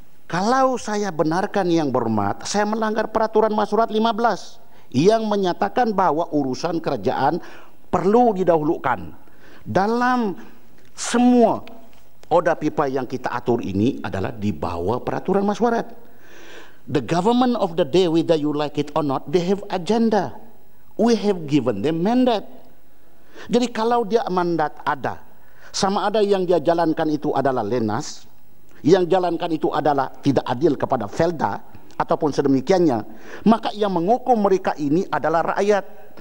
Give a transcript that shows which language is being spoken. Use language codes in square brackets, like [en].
[ms] Kalau saya benarkan yang berhormat, saya melanggar peraturan masyarakat 15 yang menyatakan bahwa urusan kerajaan perlu didahulukan. Dalam semua oda pipa yang kita atur ini adalah di bawah peraturan masyarakat. [en] The government of the day, whether you like it or not, they have agenda. We have given them mandate. [ms] Jadi kalau dia mandat ada, sama ada yang dia jalankan itu adalah lenas, yang jalankan itu adalah tidak adil kepada felda ataupun sedemikiannya, maka yang menghukum mereka ini adalah rakyat.